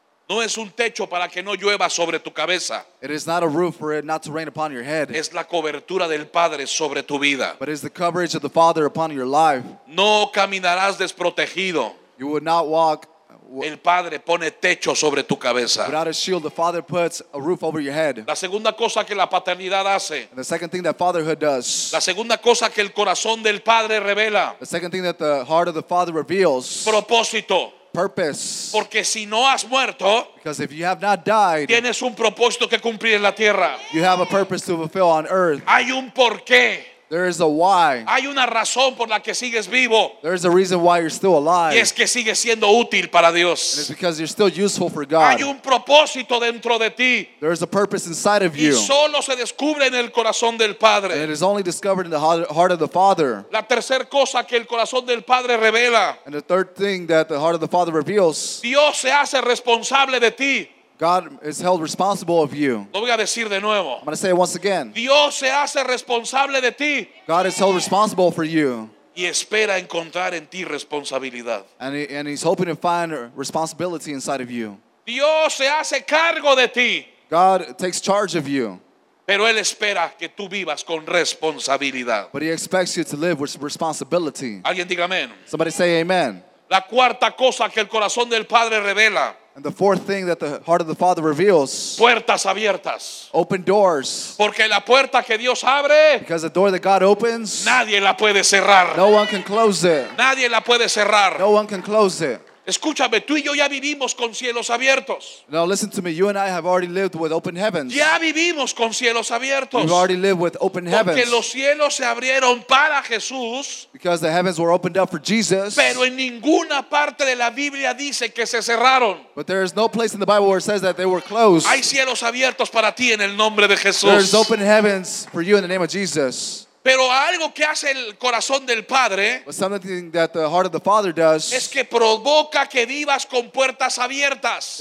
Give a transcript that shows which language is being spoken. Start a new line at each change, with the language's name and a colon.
Spanish: No es un techo para que no llueva sobre tu cabeza.
English: It is not a roof for it not to rain upon your head.
Spanish: Es la cobertura del Padre sobre tu vida.
English: But it's the coverage of the Father upon your life.
Spanish: No caminarás desprotegido.
English: You will not walk.
Spanish: El Padre pone techo sobre tu cabeza.
English: Without a shield, the Father puts a roof over your head.
Spanish: La segunda cosa que la paternidad hace.
English: And the second thing that fatherhood does.
Spanish: La segunda cosa que el corazón del Padre revela.
English: The second thing that the heart of the Father reveals.
Spanish: Propósito.
English: Purpose.
Spanish: Porque si no has muerto,
English: because if you have not died,
Spanish: tienes un propósito que cumplir en la tierra.
English: You have a purpose to fulfill on earth.
Spanish: Hay un porqué.
English: There is a why.
Spanish: Hay una razón por la que sigues vivo.
English: There is a reason why you're still alive.
Spanish: Y es que sigues siendo útil para Dios.
English: And it's because you're still useful for God.
Spanish: Hay un propósito dentro de ti.
English: There is a purpose inside of you.
Spanish: Y solo se descubre en el corazón del Padre.
English: And it is only discovered in the heart of the Father.
Spanish: La tercera cosa que el corazón del Padre revela.
English: And the third thing that the heart of the Father reveals.
Spanish: Dios se hace responsable de ti.
English: God is held responsible of you.
Spanish: Lo voy a decir de nuevo.
English: I'm going to say it once again.
Spanish: Dios se hace responsable de ti.
English: God is held responsible for you.
Spanish: Y espera encontrar en ti responsabilidad.
English: And he's hoping to find responsibility inside of you.
Spanish: Dios se hace cargo de ti.
English: God takes charge of you.
Spanish: Pero Él espera que tú vivas con responsabilidad.
English: But He expects you to live with responsibility.
Spanish: Alguien diga amén.
English: Somebody say amen.
Spanish: La cuarta cosa que el corazón del Padre revela.
English: And the fourth thing that the heart of the Father reveals.
Spanish: Puertas abiertas.
English: Open doors.
Spanish: Porque la puerta que Dios abre.
English: Because the door that God opens.
Spanish: Nadie la puede cerrar.
English: No one can close it.
Spanish: Nadie la puede cerrar.
English: No one can close it.
Spanish: Escúchame, tú y yo ya vivimos con cielos abiertos.
English: Now listen to me, you and I have already lived with open heavens.
Spanish: Ya vivimos con cielos abiertos.
English: We've already lived with open heavens.
Spanish: Porque los cielos se abrieron para Jesús.
English: Because the heavens were opened up for Jesus.
Spanish: Pero en ninguna parte de la Biblia dice que se cerraron.
English: But there is no place in the Bible where it says that they were closed.
Spanish: Hay cielos abiertos para ti en el nombre de Jesús.
English: There's open heavens for you in the name of Jesus.
Spanish: Pero algo que hace el corazón del Padre
English: that the heart of the Father does
Spanish: es que provoca que vivas con puertas abiertas.